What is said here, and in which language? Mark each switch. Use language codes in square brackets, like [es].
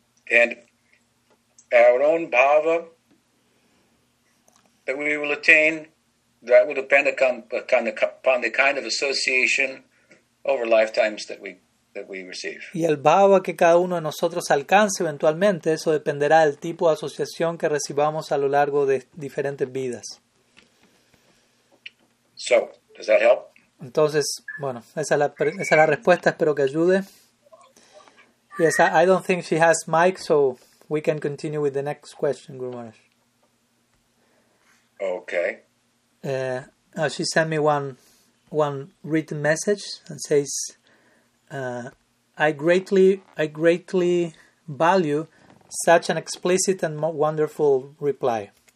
[en] And our own bhava that we will attain, that will depend upon the kind of association over lifetimes that we receive. [es] Y el bhava que cada uno de nosotros alcance eventualmente, eso dependerá del tipo de asociación que recibamos a lo largo de diferentes vidas. [en] So, does that help? [es] Entonces, bueno, esa es la respuesta, espero que ayude. [en] Yes, I don't think she has mic, so we can continue with the next question, Guru Maharaj. Okay. She sent me one written message and says, I greatly value such an explicit and wonderful reply.